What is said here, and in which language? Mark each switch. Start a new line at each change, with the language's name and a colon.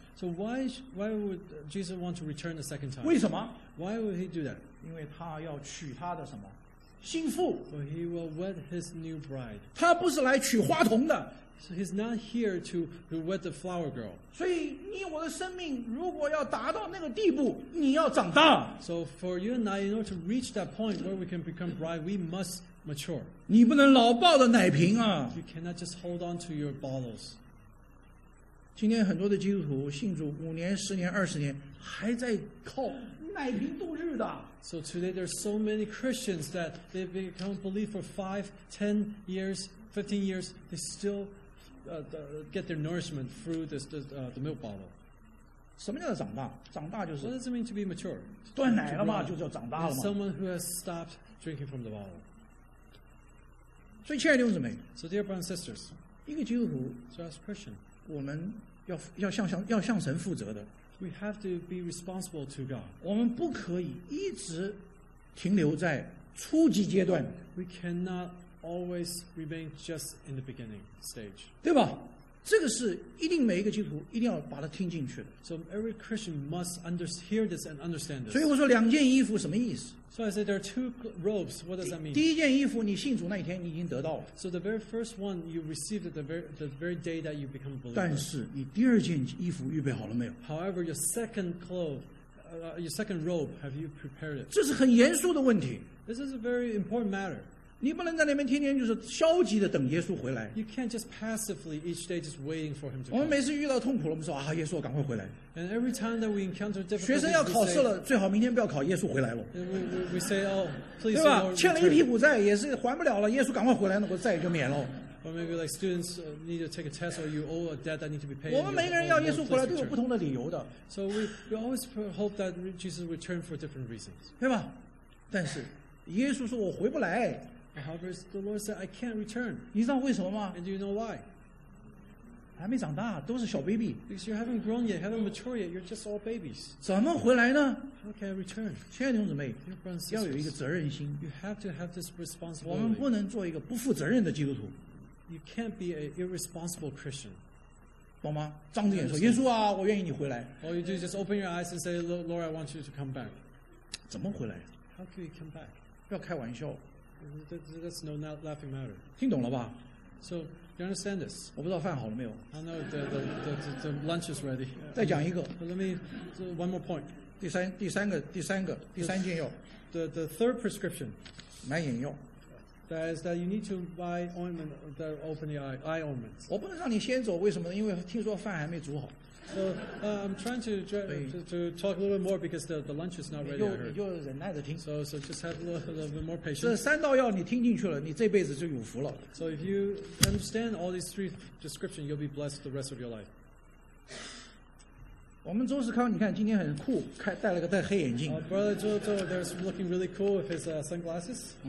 English: ？So why would Jesus want to return a second time?
Chinese: 为什么
English: ？Why would he do that?
Chinese: 因为他要娶他的什么？心腹。
English: So he will wed his new bride.
Chinese: 他不是来娶花童的。
English: So he's not here to wed the flower girl.
Chinese: 所以你我的生命如果要达到那个地步，你要长大。
English: So for you and I, in order to reach that point where we can become bride, we must mature.
Chinese: 你不能老抱着奶瓶啊。
English: You cannot just hold on to your bottles.
Chinese: 今天很多的基督徒信主五年、十年、二十年，还在靠奶瓶度日的。
English: So today there's so many Christians that they've become believed for 5, 10 years. 15 years, they still get their nourishment through the milk bottle.
Chinese: 什么叫做长大？长大就是。
English: What does it mean to be mature?
Chinese: 断奶了嘛，就叫长大了嘛。
English: Someone who has stopped drinking from the bottle.
Chinese: 所以，亲爱的弟兄姊妹
English: ，So dear brothers and sisters,
Chinese: 一个基督徒
English: ，So as a Christian,
Chinese: 我们要向神负责的。
English: We have to be responsible to God.
Chinese: 我们不可以一直停留在初级阶段。
English: We cannot. Always remain just in the beginning stage.
Chinese: 对吧？这个是一定每一个基督徒一定要把它听进去的。
English: So every Christian must hear this and understand this.
Chinese: 所以我说两件衣服什么意思
English: ？So I said there are two robes. What does that mean?
Chinese: 第一件衣服你信主那一天你已经得到了。
English: So the very first one you received the very day that you become a believer.
Chinese: 但是你第二件衣服预备好了没有
English: ？However, your second clothes, your second robe, have you prepared it?
Chinese: 这是很严肃的问题。
English: This is a very important matter.
Chinese: 你不能在那边天天就是消极的等耶稣回来。
English: You can't just passively each day just waiting for him to come.
Chinese: 我们每次遇到痛苦了，我们说啊，耶稣，赶快回来。
English: And every time that we encounter difficulty,
Chinese: 学生要考试了，最好明天不要考，耶稣回来了。
English: We say, oh, please.
Chinese: 对吧？欠了一屁股债，也是还不了了，耶稣赶快回来，那我债也就免了。
English: Or maybe like students need to take a test, or you owe a debt that need to be paid.
Chinese: 我们每个人要耶稣回来都有不同的理由的。
English: So we always hope that Jesus return for different reasons.
Chinese: 对吧？但是耶稣说我回不来。
English: However, the Lord said, I can't return.
Chinese: 你知道为什么吗?
English: And do you know why?
Chinese: 还没长大，都是小 baby.
English: Because you haven't grown yet, haven't matured yet, you're just all babies.
Chinese: 怎么回来呢？
English: How can I return?
Chinese: 亲爱的弟兄姊妹，
English: Dear brothers and sisters,
Chinese: 要有一个责任心。
English: You have to have this responsibility.
Chinese: 我们不能做一个不负责任的基督徒。
English: You can't be an irresponsible Christian.
Chinese: 懂吗？张着眼说，耶稣啊，我愿意你回来。
English: All you do is just open your eyes and say, Lord, I want you to come back.
Chinese: 怎么回来？
English: How can you come back?
Chinese: 不要开玩笑。
English: That's no laughing matter.
Chinese: 听懂了吧？
English: So, do you understand this?
Chinese: 我不知道饭好了没有。
English: I know the lunch is ready.
Chinese: 再讲一个。
English: But let me, so one more point.
Chinese: 第三个，第三件药。
English: The third prescription.
Chinese: 买眼药。
English: That is that you need to buy ointment that open the eye ointments.
Chinese: 我不能让你先走，为什么呢？因为听说饭还没煮好。
English: So, I'm trying to talk a little bit more because the lunch is not ready.
Chinese: 又忍耐着听。
English: So just have a little bit more patience.
Chinese: 这三道药你听进去了，你这辈子就有福了。
English: So if you understand all these three descriptions, you'll be blessed the rest of your life.
Chinese: 我们周世康，你看今天很酷，戴了个戴黑眼镜。
English: Brother Joe there's looking really cool with his sunglasses.